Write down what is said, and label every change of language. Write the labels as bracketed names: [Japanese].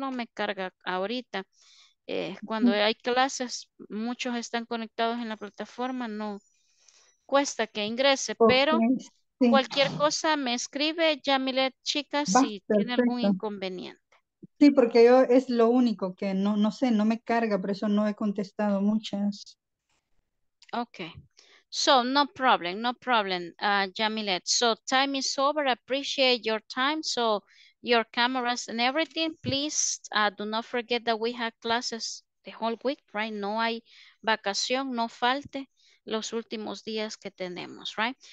[Spanish] No me carga ahorita. Cuando hay clases, muchos están conectados en la plataforma, no cuesta que ingrese, pero sí. Cualquier cosa me escribe, Yamilet, chicas, si tiene algún inconveniente. Sí, porque yo es lo único que no sé, no me carga, por eso no he contestado muchas. [English] Ok, so no problem, Yamilet. So time is over, appreciate your time, so your cameras and everything. Please do not forget that we have classes the whole week, right? [Spanish] No hay vacación, no falte los últimos días que tenemos, right?